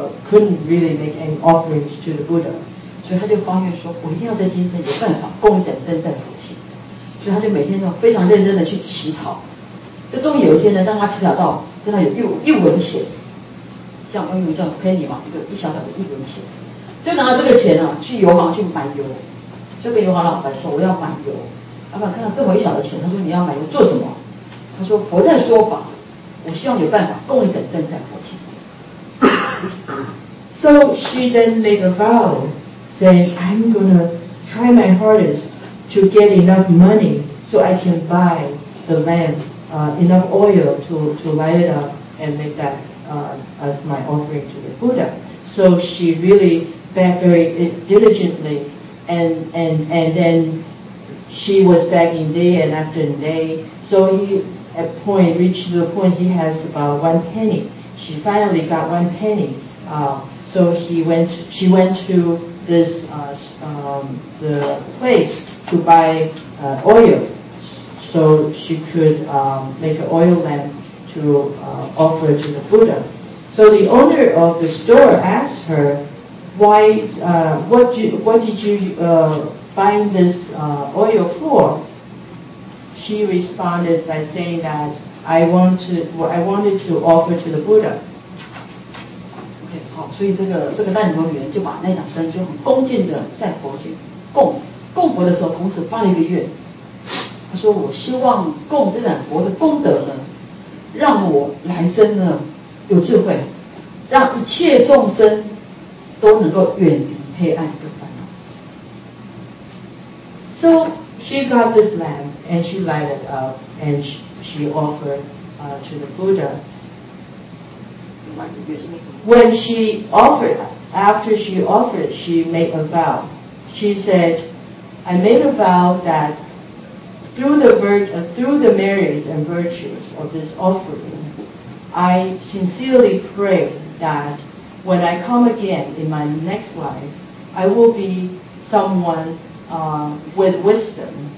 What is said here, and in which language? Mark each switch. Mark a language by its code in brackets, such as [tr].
[en] Couldn't really make any offerings to the Buddha. So she just [zh] 发愿说，我一定要在今生有办法供一盏灯在佛前。所以她就每天都非常认真的去乞讨。就终于有一天呢，当她乞讨到真的有一文钱，像我们叫 penny 嘛，一个一小小的一文钱。就拿这个钱啊，去油行去买油，就跟油行老板说我要买油。老板看到这么一小的钱，他说你要买油做什么？他说佛在说法，我希望有办法供一盏灯在佛前。 [en] So she then made a vow, saying, I'm gonna try my hardest to get enough money so I can buy the lamp, enough oil to light it up and make that as my offering to the Buddha. So she really. Begged very diligently, and then she was begging day and after day. So he at point reached the point he has about one penny. She finally got one penny. So she went to this the place to buy oil. So so she could make an oil lamp to offer to the Buddha. So the owner of the store asked her, "Why? What did you find this oil for?" She responded by saying that I wanted to offer to the Buddha. [zh] Okay, 好，所以这个烂牛女人就把那盏灯就很恭敬的在佛前供佛的时候，同时发了一个愿。她说：“我希望供这盏佛的功德呢，让我来生呢有智慧，让一切众生都能够远离黑暗跟烦恼。” [en] So she got this lamp and she light it up and she offered to the Buddha. When she offered, after she offered, she made a vow. She said, "I made a vow that through the merit and virtues of this offering, I sincerely pray that when I come again in my next life, I will be someone with wisdom.